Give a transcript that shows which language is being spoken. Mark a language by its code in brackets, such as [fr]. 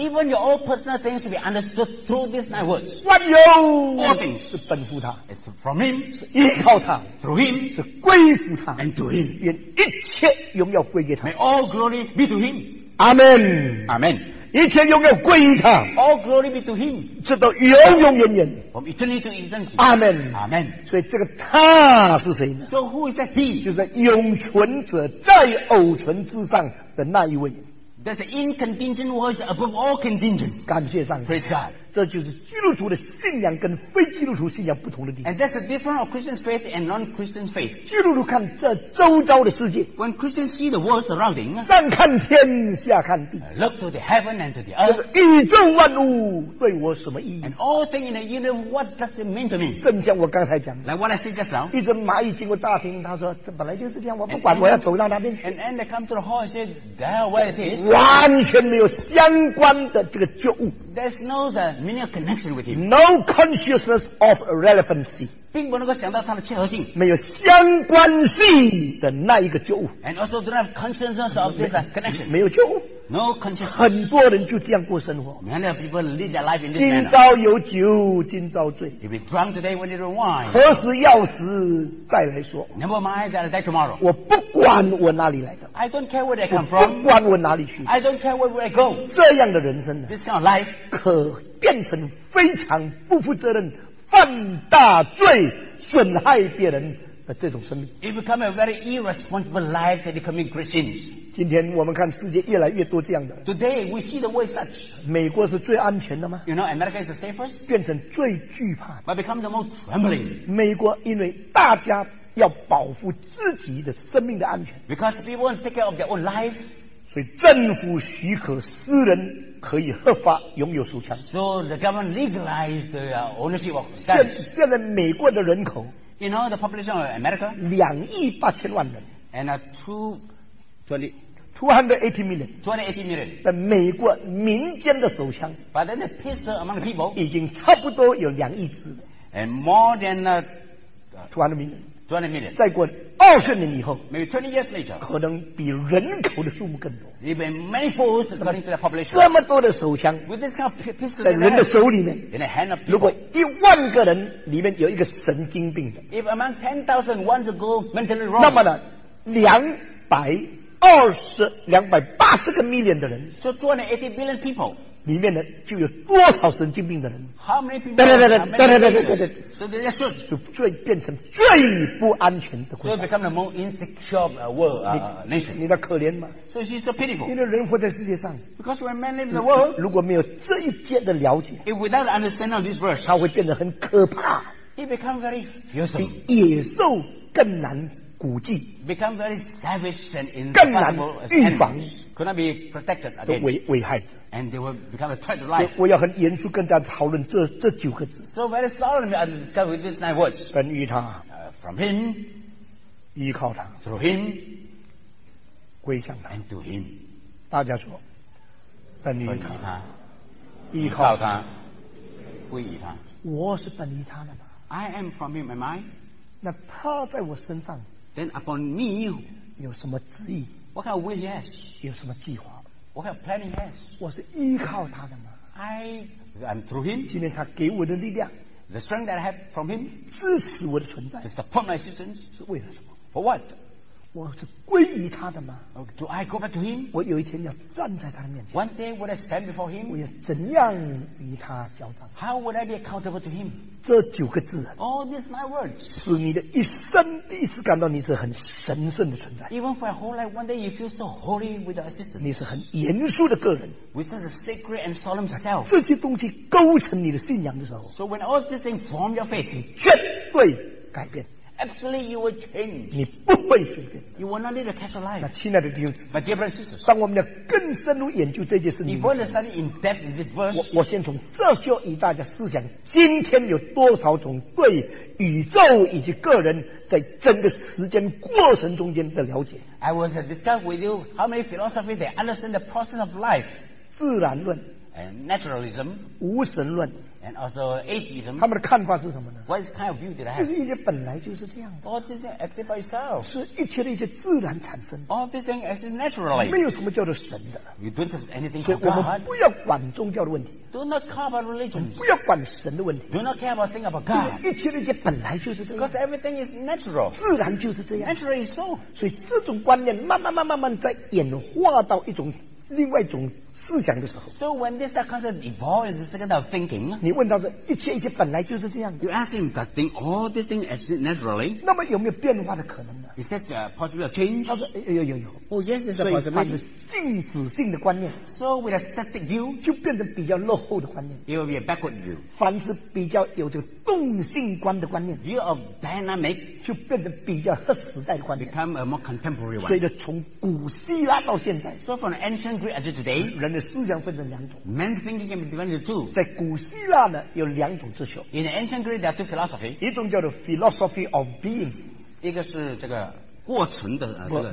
[en] Even your own personal things should be understood through these nine words [zh] 万有 [en] All things [zh] 是奔赴他 [en] It's from him [zh] 是依靠他 [en] Through him [zh] 是归附他 [en] And to him. [zh] 愿一切荣耀归给他。 [en] May all glory be to him. Amen. Amen. [zh] 一切荣耀归于他。 [en] All glory be to him. [zh] 直到永永远远。 [en] From eternity to eternity. Amen. Amen. [zh] 所以这个他是谁呢 [en] ？So who is that he? [zh] 就是永存者在偶存之上的那一位。 [en] That's the incontingent words above all contingent. [zh] 感谢上帝。 [en] Praise God. [zh] 这就是基督徒的信仰跟非基督徒信仰不同的地方。 [en] And that's the difference of Christian faith and non-Christian faith. [zh] 基督徒看这周遭的世界。 [en] When Christians see the world surrounding, [zh] 上看天，下看地。 [en] Look to the heaven and to the earth. [zh] 宇宙万物对我什么意义 [en] ？And all things in the universe, what does it mean to me? [zh] 正像我刚才讲的。 [en] Like what I said just now. [zh] 一只蚂蚁经过大厅，他说：“这本来就是这样，我不管，我要走到那边去。 [en] ”And then they come to the hall and say, "There, what it is?" [zh] 完全没有相关的这个觉悟。 [en] There's no the meaning of connection with him. No consciousness of relevancy. [zh] 并不能够想到它的切合性。没有相关性的那一个觉悟。 [en] And also don't have consciousness of this connection. [zh] 没有觉悟。 [en] No consciousness. [zh] 很多人就这样过生活。 [en] Many people live their life in this manner. [zh] 今朝有酒今朝醉。 [en] You'll be drunk today when you drink wine. [zh] 何时要死再来说。 [en] Never mind that day tomorrow. [zh] 我不管我哪里来的。 [en] I don't care where they come from. [zh] 我不管我哪里去。 [en] I don't care where I go. [zh] 这样的人生呢。 [en] This kind of life. [zh] 可变成非常不负责任犯大罪损害别人的这种生命。 [en] It become a very irresponsible life that becoming Christians. [zh] 今天我们看世界越来越多这样的。 [en] Today we see the world such. [zh] 美国是最安全的吗？ [en] You know, America is the safest. [zh] 变成最惧怕。 [en] But become the most trembling. [zh] 美国因为大家要保护自己的生命的安全。 [en] Because people want to take care of their own life. [zh] 所以政府许可私人可以合法拥有手枪。 [en] So the government legalized the ownership of guns. [zh] 现在美国的人口。 [en] You know the population of America? [zh] 2,800,000人。 [en] And a 280 million. 280 million. [zh] 的美国民间的手枪。 [en] But then the pistol among people. [zh] 已经差不多有2亿支。 [en] And more than a 200 million. 200 million. [zh] 再过20年以后 [en] ，Maybe 20 years later， [zh] 可能比人口的数目更多。 [en] Maybe many folds according to the population。 [zh] 这么多的手枪 [en] ，With this kind of pistol [zh] 在人的手里面 [en] ，In the hand of people， [zh] 如果10,000个人里面有一个神经病的 [en] ，If among 10,000 want to go mentally wrong， [zh] 那么呢， [en] 280 million [zh] 的人 [en] ，So 280 billion people。 [zh] 里面呢就有多少神经病的人？ [en] How many people？ [zh] 对，所以变成最不安全的国家。 [en] So become the most insecure world nation。 [zh] 你的可怜吗 [en] ？So she's so pitiful。 [zh] 因为人活在世界上 [en] ，Because when men live in the world， [zh] 如果没有这一节的了解 [en] ，If without understanding of this verse， [zh] 它会变得很可怕。 [en] It become very fearsome。 [zh] 比野兽更难估计 [en] ，Become very savage and impossible to defend。 Could not be protected against [zh] 危害 [en] and they will become a threat to life. [zh] 我要很严肃跟大家讨论这九个字。 [en] So very solemnly I discuss with these nine words. [zh] 本于他 [en] from him, [zh] 依靠他 [en] through him, [zh] 归向他 [en] and to him. [zh] 大家说，本于他，依靠他，归于他。我是本于他的吗 [en] ？I am from him, am I? [zh] 那他在我身上 [en] ，then upon me [zh] 有什么旨意？ [en] What kind of will he has? [zh] 有什么计划？ [en] What kind of plan he has? [zh] 我是依靠他的吗？ [en] I'm through him. [zh] 今天他给我的力量， [en] the strength that I have from him, [zh] 支持我的存在， [en] to support my existence, [zh] 是为了什么？ [en] For what? [zh] 我是归于他的吗？ [en] Do I go back to him? [zh] 我有一天要站在他的面前。 [en] One day would I stand before him? [zh] 我要怎样与他交战？ [en] How would I be accountable to him? [zh] 这九个字， [en] All these nine words, [zh] 使你的一生第一次感到你是很神圣的存在。 [en] Even for a whole life, one day you feel so holy with your existence. [zh] 你是很严肃的个人。 [en] With such a sacred and solemn self. [zh] 这些东西构成你的信仰的时候。 [en] So when all these things form your faith, [zh] 你绝对改变。 [en] Absolutely, you will change. [zh] 你不会随便。 [en] You will not live a casual life. [zh] 那亲爱的弟兄姊妹 [en] ，My dear brothers and sisters, [zh] 当我们要更深入研究这件事情 [en] ，Before we study in depth in this verse, [zh] 我先从这就与大家思想，今天有多少种对宇宙以及个人在整个时间过程中间的了解 [en] ？I want to discuss with you how many philosophies they understand the process of life. [zh] 自然论 [en] ，and naturalism. [zh] 无神论。 [en] And also atheism. [zh] 他们的看法是什么呢？ [en] What kind of view did I have? [zh] 就是一切本来就是这样的。 [en] All this thing exists by itself. [zh] 是一切的一切自然产生。 [en] All this thing exists naturally. [zh] 没有什么叫做神的。 [en] You don't have anything called God. [zh] 所以我们不要管宗教的问题。 [en] Do not care about religion. [zh] 不要管神的问题。 [en] Do not care about thing about God. [zh] 一切的一切本来就是这样。 [en] Because everything is natural. [zh] 自然就是这样。 [en] Naturally so. [zh] 所以这种观念慢慢在演化到一种另外一种思想的时候。 [en] So when this kind of evolves, this kind of thinking, [zh] 你问到的一切一切本来就是这样。 [en] You ask him that thing, all these things naturally. [zh] 那么有没有变化的可能呢？ [en] Is that a possible change? [zh] 他说有。 [en] Oh yes, it's a possibility. [zh] 所以他的静止性的观念。 [en] So with a static view, [zh] 就变成比较落后的观念。 [en] It will be a backward view. [zh] 凡是比较有这个动性观的观念。 [en] View of dynamic, [zh] 就变成比较和时代的观念。 [en] Become a more contemporary one. [zh] 所以从古希腊到现在。 [en] So from ancient Greek until today, [zh] 人的思想分成两种。 [en] Man thinking can be divided into two. [zh] 在古希腊呢，有两种哲学。 [en] In ancient Greek, there are two philosophy. [zh] 一种叫做 [en] philosophy of being. [zh] 一个是这个过程的这个